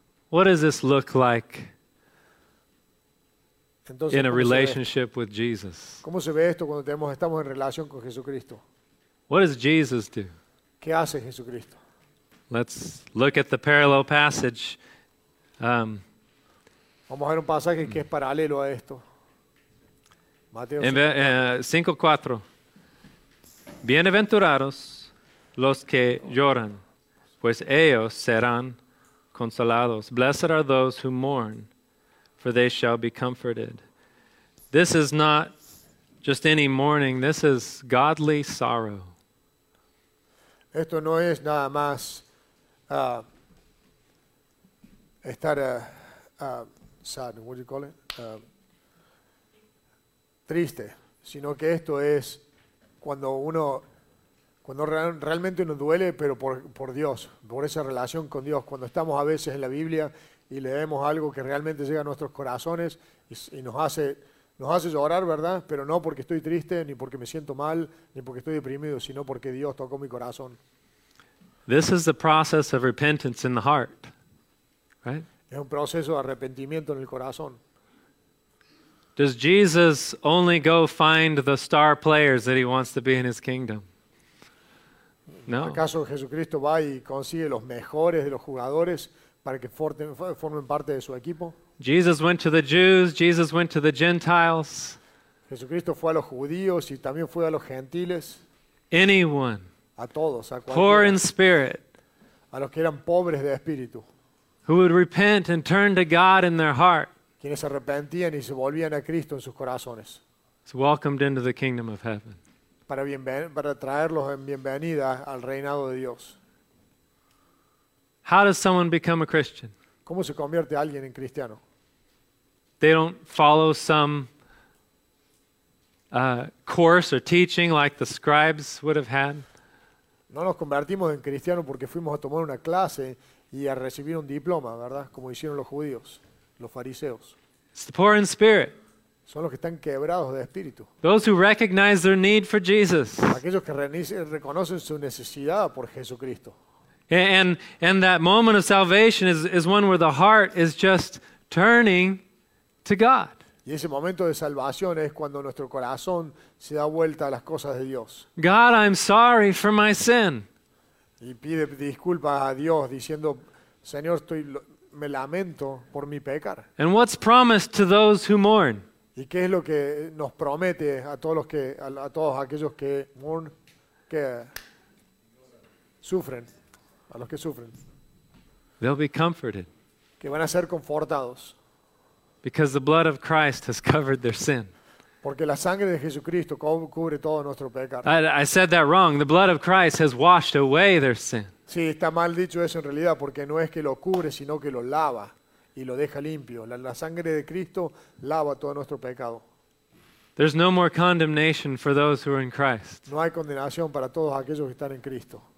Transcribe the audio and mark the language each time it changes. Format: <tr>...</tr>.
<en>What does this look like</en> <es>entonces,</es> <en>in a relationship with Jesus?</en> <es>¿Cómo se ve esto cuando estamos en relación con Jesucristo?</es> <en>What does Jesus do?</en> <es>¿Qué hace Jesucristo?</es> <en>Let's look at the parallel passage.</en> <es>Vamos a ver un pasaje que es paralelo a esto. Mateo 5:4. Bienaventurados los que lloran, pues ellos serán consolados.</es> <en>Blessed are those who mourn, for they shall be comforted. This is not just any mourning, this is godly sorrow.</en> <es>Esto no es nada más estar</es> <en>sad, what do you call it?</en> <es>Triste, sino que esto es cuando realmente nos duele, pero por Dios, por esa relación con Dios. Cuando estamos a veces en la Biblia y leemos algo que realmente llega a nuestros corazones y nos hace llorar, ¿verdad? Pero no porque estoy triste, ni porque me siento mal, ni porque estoy deprimido, sino porque Dios tocó mi corazón.</es> <en>This is the process of repentance in the heart. Right?</en> <es>Es un proceso de arrepentimiento en el corazón.</es> <en>Does Jesus only go find the star players that he wants to be in his kingdom? No.</en> <es>¿Acaso Jesucristo va y consigue los mejores de los jugadores para que formen parte de su equipo?</es> <en>Jesus went to the Jews, Jesus went to the Gentiles.</en> <es>Jesucristo fue a los judíos y también fue a los gentiles.</es> <en>Anyone.</en> <es>A todos, a cualquiera.</es> <en>Poor in spirit.</en> <es>A los que eran pobres de espíritu.</es> <en>Who would repent and turn to God in their heart.</en> <es>Quienes se arrepentían y se volvían a Cristo en sus corazones.</es> <en>So welcomed into the kingdom of heaven.</en> <es>Para traerlos en bienvenida al reinado de Dios.</es> <en>How does someone become a Christian?</en> <es>¿Cómo se convierte alguien en cristiano?</es> <en>They don't follow some course or teaching like the scribes would have had.</en> <es>No nos convertimos en cristianos porque fuimos a tomar una clase y a recibir un diploma, ¿verdad? Como hicieron los judíos, los fariseos.</es> <en>It's the poor in spirit.</en> <es>Son los que están quebrados de espíritu.</es> <en>Those who recognize their need for Jesus.</en> <es>Aquellos que reconocen su necesidad por Jesucristo.</es> <en>And that moment of salvation is one where the heart is just turning to God.</en> <es>Y ese momento de salvación es cuando nuestro corazón se da vuelta a las cosas de Dios.</es> <en>God, I'm sorry for my sin.</en> <es>Y pide disculpas a Dios diciendo, Señor, me lamento por mi pecar.</es> <en>And what's promised to those who mourn?</en> <es>¿Y qué es lo que nos promete a todos aquellos que</es> <en>mourn,</en> <es>que sufren? A los que sufren.</es> <en>They'll be comforted.</en> <es>Que van a ser confortados.</es> <en>Because the blood of Christ has covered their sin.</en> <es>Porque la sangre de Jesucristo cubre todo nuestro pecado.</es> <en>I said that wrong. The blood of Christ has washed away their sin.</en> <es>Sí, está mal dicho eso en realidad, porque no es que lo cubre, sino que lo lava y lo deja limpio. La sangre de Cristo lava todo nuestro pecado.</es> <en>There's no more condemnation for those who are in Christ.</en> <es>No hay condenación para todos aquellos que están en Cristo.</es>